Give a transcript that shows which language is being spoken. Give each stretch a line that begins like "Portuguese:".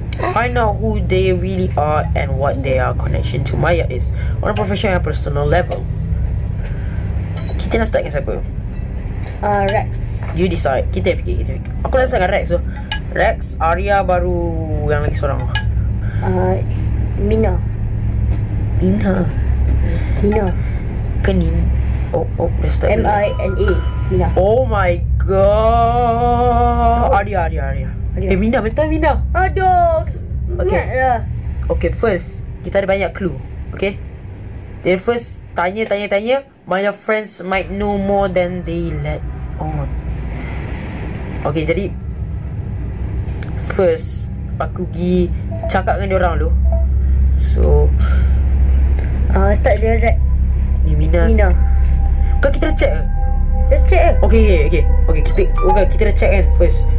English: Find out who they really are and what their connection to Maya is. On a professional and personal level.
Malay: Kita nak start dengan siapa? Rex.
English: You decide.
Malay: Kita fikir. Aku nak start dengan Rex. Rex, Arya baru yang lagi seorang. Mina.
English: Kenin. Oh, let's start. M-I-N-A. Mina. Oh my god. Arya. Hey, Mina. Bentar, Mina.
Malay: Aduh.
English: Okay, first.
Malay: Kita ada banyak clue. Okay.
English: Then first,
Malay: tanya.
English: Maya friends might know more than they let on.
Malay: Okay, jadi first aku pergi cakap dengan diorang dulu.
English: So
Malay: start dengan Rek. Ni Mina. Bukan kita dah check ke? Dah check ke? Okay, kita bukan kita dah check kan first.